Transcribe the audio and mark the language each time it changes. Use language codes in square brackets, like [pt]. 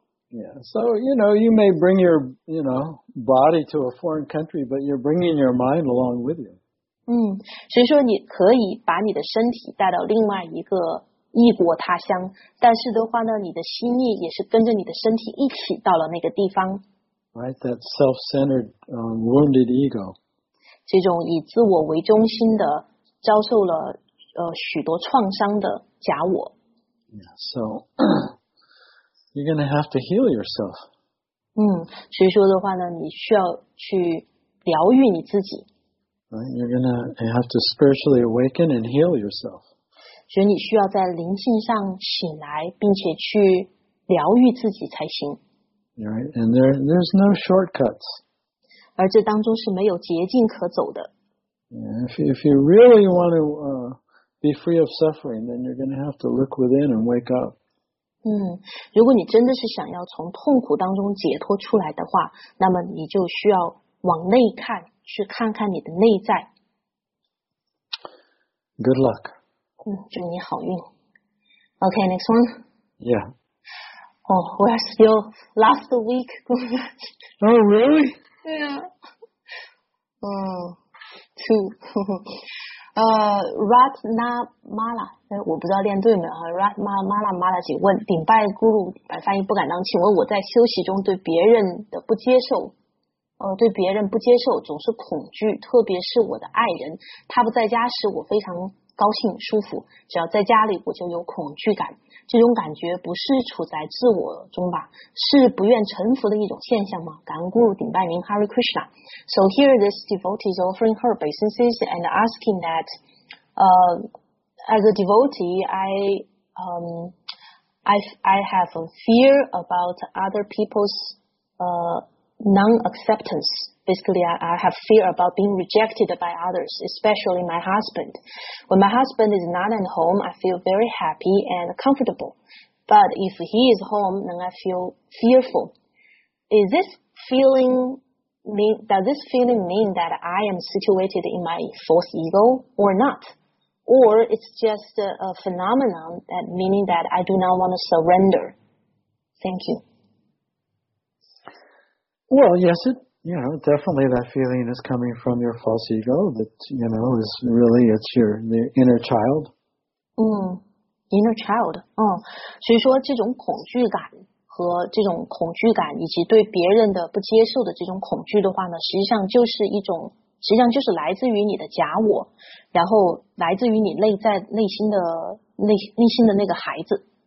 [en] Yeah, so, you know, you may bring your, you know, body to a foreign country, but you're bringing your mind along with you. [zh] 所以说你可以把你的身体带到另外一个异国他乡，但是的话呢，你的心意也是跟着你的身体一起到了那个地方。 [en] Right, that self-centered, wounded ego. [zh] 这种以自我为中心的，遭受了许多创伤的假我。 [en] Yeah, so... You're going to have to heal yourself. [zh] 所以说的话呢，你需要去疗愈你自己。 [en] Right, you're going to have to spiritually awaken and heal yourself. [zh] 所以你需要在灵性上醒来，并且去疗愈自己才行。 [en] Right, and there's no shortcuts. [zh] 而这当中是没有捷径可走的。 [en] Yeah, if you really want to be free of suffering, then you're going to have to look within and wake up. [zh] 如果你真的是想要从痛苦当中解脱出来的话，那么你就需要往内看，去看看你的内在。 [en] Good luck. [zh] 祝你好运。 [en] Okay, next one. Yeah. Oh, we're still last week. Oh, really? Yeah. Two. [zh] Ratnamala, 我不知道练对没有 Ratnamala Mala 请问顶拜咕噜顶拜翻译不敢当，请问我在休息中对别人的不接受对别人不接受总是恐惧，特别是我的爱人，他不在家时我非常高兴舒服，只要在家里我就有恐惧感，这种感觉不是处在自我中吧，是不愿臣服的一种现象吗？感恩Guru顶拜您 Hare Krishna。 [en] So here this devotee is offering her obeisances and asking that as a devotee I have a fear about other people'snon-acceptance. Basically, I have fear about being rejected by others, especially my husband. When my husband is not at home, I feel very happy and comfortable. But if he is home, then I feel fearful. Does this feeling mean that I am situated in my false ego or not? Or it's just a phenomenon that meaning that I do not want to surrender? Thank you. Well, yes, definitely that feeling is coming from your false ego that, you know, is really, it's your inner child. Inner child. [zh] 所以说这种恐惧感和这种恐惧感以及对别人的不接受的这种恐惧的话呢，实际上就是来自于你的假我，然后来自于你内心的那个孩子。